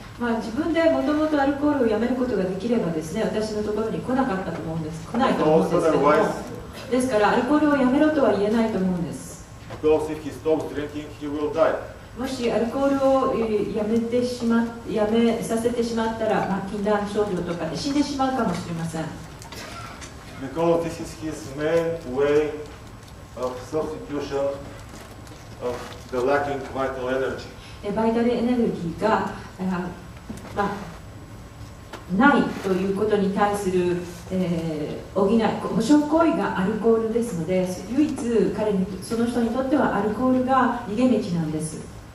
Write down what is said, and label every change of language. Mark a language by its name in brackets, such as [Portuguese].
[Japanese] まあ、自分でもともとアルコールをやめることができればですね、私のところに来なかったと思うんです、来ないと思うんですけども、ですからアルコールをやめろとは言えないと思うんです。 [English] Because if he stops drinking, he will die. [Japanese] もしアルコールをやめさせてしまったら、まあ、禁断症状とかで死んでしまうかもしれません。 [English] Because this is his main way of substitution of the lacking vital energy. [Japanese] バイタルエネルギーがまあ、ないということに対する、補い保証行為がアルコールですので、唯一彼にその人にとってはアルコールが逃げ道なんです。